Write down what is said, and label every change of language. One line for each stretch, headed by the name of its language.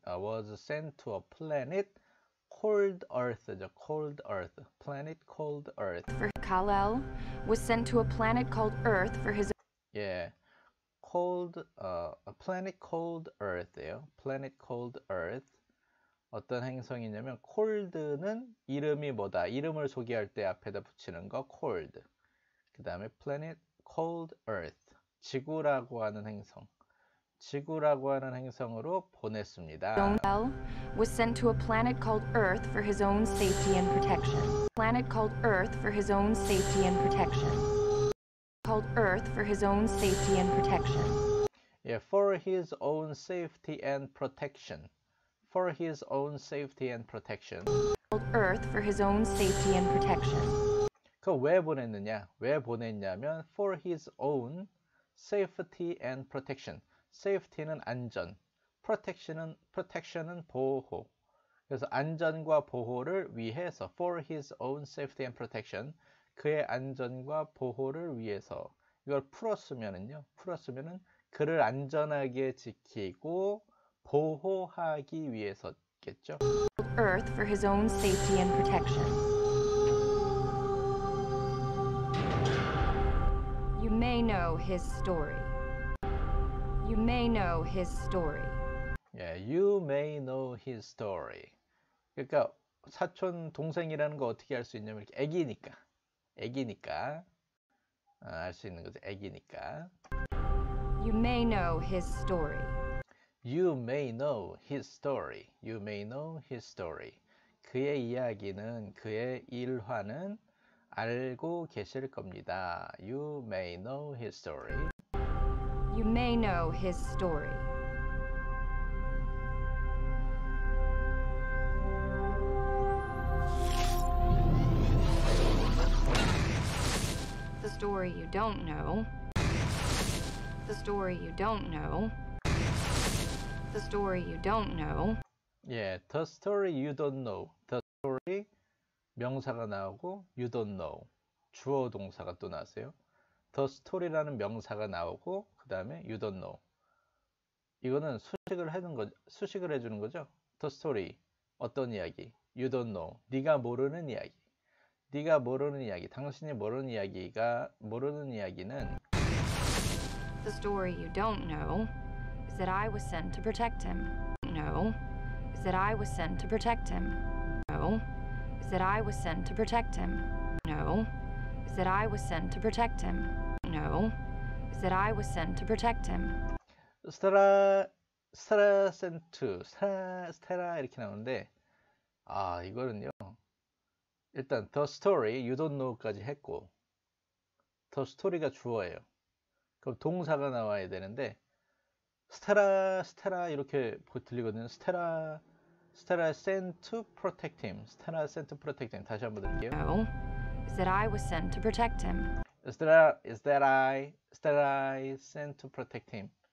English: Was sent to a planet called Earth. The called Earth. Planet called Earth. For Kal-El, was sent to a planet called Earth for his. Yeah, called a planet called Earth. Yeah, planet called Earth.
Korean: 어떤 행성이냐면 called는 이름이 뭐다. 이름을 소개할 때 앞에다 붙이는 거 called. 그 다음에 planet called Earth, 지구라고 하는 행성, 지구라고 하는 행성으로 보냈습니다.
English: Kal-El was sent to a planet called Earth for his own safety and protection. Planet called Earth for his own safety and protection. Called Earth for his own safety and protection. Yeah, for his own safety and protection. For his own safety and protection. Called Earth for his own safety and protection.
Korean: 그 왜 보냈느냐? 왜 보냈냐면
English: for his own safety and protection.
Korean: Safety는 안전, protection은 보호. 그래서 안전과 보호를 위해서
English: for his own safety and protection.
Korean: 그의 안전과 보호를 위해서 이걸 풀었으면은요. 풀었으면은 그를 안전하게 지키고 보호하기 위해서겠죠.
English: Earth for his own safety and protection. You may know his story. You may know his story. Yeah, you may know his story.
Korean: 그러니까 사촌 동생이라는 거 어떻게 알 수 있냐면 이렇게 애기니까. 애기니까. 아, 알 수 있는 거죠. 애기니까.
English: You may know his story. You may know his story. You may know his story.
Korean: 그의 이야기는 그의 일화는 알고 계실 겁니다.
English: You may know his story. You may know his story. The story you don't know. The story you don't know. The story you don't know. Yeah, the story you don't know. The story.
Korean: 명사가 나오고
English: you don't know
Korean: 주어 동사가 또 나왔어요. The story라는 명사가 나오고 그 다음에
English: you don't know
Korean: 이거는 수식을 해주는 거죠. The story 어떤 이야기
English: you don't know
Korean: 네가 모르는 이야기 네가 모르는 이야기 당신이 모르는 이야기가 모르는 이야기는
English: The story you don't know is that I was sent to protect him. No, is that I was sent to protect him. No. Is that I was sent to protect him. No. Is that I was sent to protect him. No. Is that I was sent to protect him. Stella sent to.
Korean: Stella 이렇게 나오는데 아 이거는요. 일단
English: the story you don't know
Korean: 까지 했고 the story가 주어예요. 그럼 동사가 나와야 되는데 Stella 이렇게 들리거든요.
English: Stella sent to protect him. Stella sent to protect him.
Korean: 다시 한번 드릴게요.
English: No. Is that I was sent to protect him. Is that I sent to protect him.